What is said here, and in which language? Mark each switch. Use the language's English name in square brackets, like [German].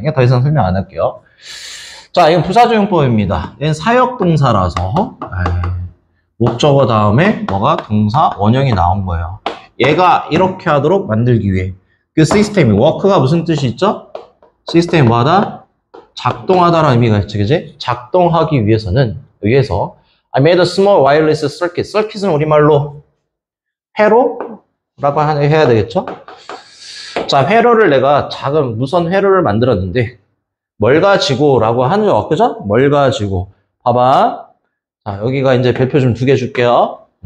[Korean] 이거 더 이상 설명 안 할게요. 자, 이건 부사조용법입니다. 얘는 사역동사라서 목적어 다음에 뭐가 동사 원형이 나온 거예요. 얘가 이렇게 하도록 만들기 위해 그 시스템이 워크가 무슨 뜻이 있죠? 시스템이 뭐하다? 작동하다라는 의미가 있죠, 그지? 작동하기 위해서는 위해서 [English] I made a small wireless circuit. [Korean] Circuit은 우리말로 회로라고 해야 되겠죠? 자, 회로를 내가 작은 무선 회로를 만들었는데 뭘 가지고라고 하는 거 그죠? 뭘 가지고 봐봐. 자, 여기가 이제 별표 좀 두 개 줄게요.